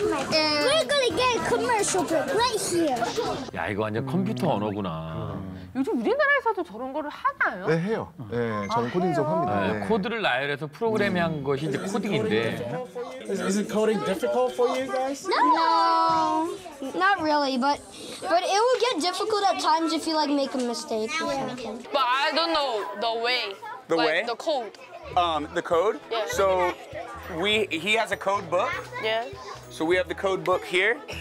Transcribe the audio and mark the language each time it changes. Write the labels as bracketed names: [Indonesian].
[English] We're gonna get a commercial break right here. [Korean] 야 이거 완전 컴퓨터 언어구나. 요즘 우리나라에서도 저런 거를 하나요? 네 해요. 네 저는 코딩 수업합니다. 네. 코드를 나열해서 프로그램한 것이 이제 코딩인데. [English] Is coding difficult for you guys? No, not really. But it will get difficult at times if you like make a mistake. But I don't know the way. The way? The code. The code? Yeah. So he has a code book. Yeah. So we have the code book here.